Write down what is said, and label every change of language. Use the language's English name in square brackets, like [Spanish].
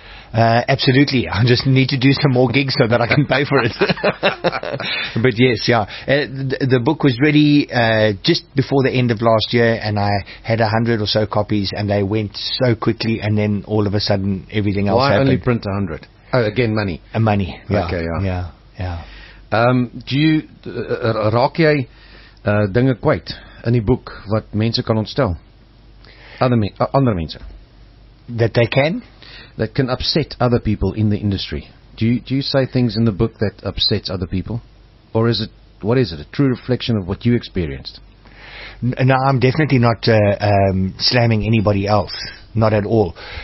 [English] Absolutely. I just need to do some more gigs so that I can pay for it. But yes, yeah. The book was ready just before the end of last year, and I had 100 or so copies, and they went so quickly, and then all of a sudden everything else happened. Why only print 100? Oh, again, money. Money. Yeah. Okay, yeah. Yeah. Yeah. Do you [Afrikaans] raak jy dinge kwyt in die boek wat mense kan ontstel? Ander mense. [English] That they can? That can upset other people in the industry. Do you say things in the book that upsets other people? Or is it, what is it, a true reflection of what you experienced? No, I'm definitely not slamming anybody else. Not at all.